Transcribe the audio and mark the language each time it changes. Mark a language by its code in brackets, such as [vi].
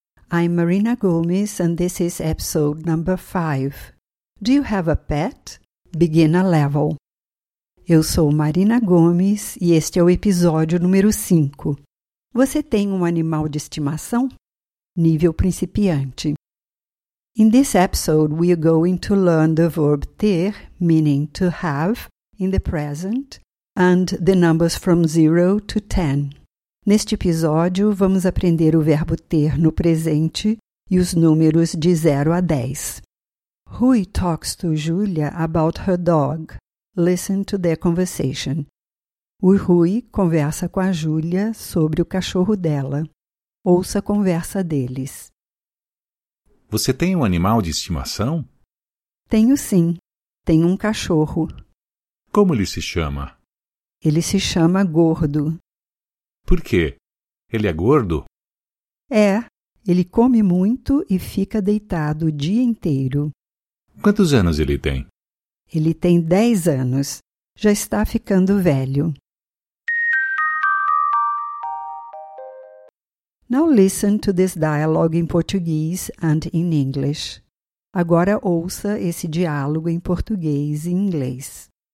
[en] I'm Marina Gomes and this is episode number 5. Do you have a pet? Beginner level. [pt] Eu sou Marina Gomes e este é o episódio número 5. Você tem um animal de estimação? Nível principiante. [en] In this episode, we are going to learn the verb ter, meaning to have, in the present, and the numbers from 0 to 10. [pt] Neste episódio, vamos aprender o verbo ter no presente e os números de 0 a 10. [en] Rui talks to Julia about her dog. Listen to their conversation. [pt] O Rui conversa com a Julia sobre o cachorro dela. Ouça a conversa deles. Você tem um animal de estimação? Tenho sim. Tenho um cachorro. Como ele se chama? Ele se chama Gordo. Por quê? Ele é gordo? É. Ele come muito e fica deitado o dia inteiro. Quantos anos ele tem? Ele tem 10 anos. Já está ficando velho. [en] Now listen to this dialogue in Portuguese and in English. [pt] Agora ouça esse diálogo em português e inglês.